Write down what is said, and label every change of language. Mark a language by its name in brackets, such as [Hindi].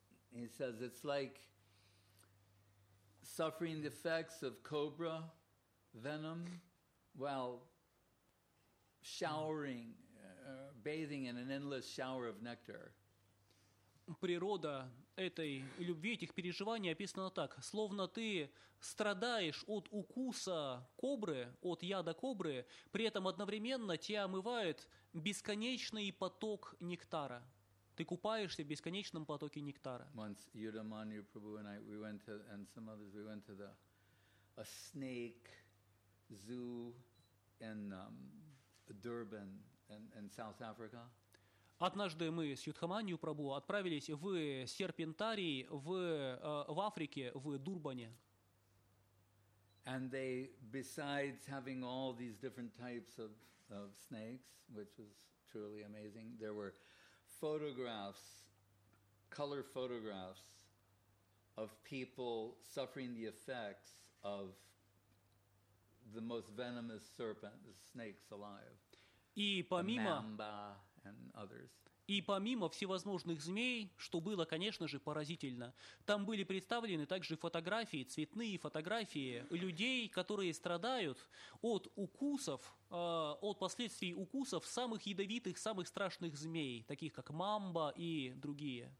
[English] He says it's like suffering the effects of cobra venom while showering, bathing in an endless shower of nectar. [Russian] Природа этой любви, этих переживаний описана так, словно ты страдаешь от укуса кобры, от яда кобры, при этом одновременно тебя омывает бесконечный поток нектара. Ты купаешься в бесконечном потоке нектара. [English] Once Yudhamanya Prabhu and I, we went to, and some others, we went to the a snake zoo in Durban in South Africa. [Russian] Однажды мы с Юдхаманью Прабху отправились в серпентарий в Африке, в Дурбане. [English] And they, besides having all these different types of snakes, which was truly amazing, there were photographs, color photographs of people suffering the effects of the most venomous serpent, the snakes alive. [Russian] И помимо [English] Mamba and others. [Russian] И помимо всевозможных змей, что было, конечно же, поразительно, там были представлены также фотографии, цветные фотографии людей, которые страдают от укусов, от последствий укусов самых ядовитых, самых страшных змей, таких как мамба и другие.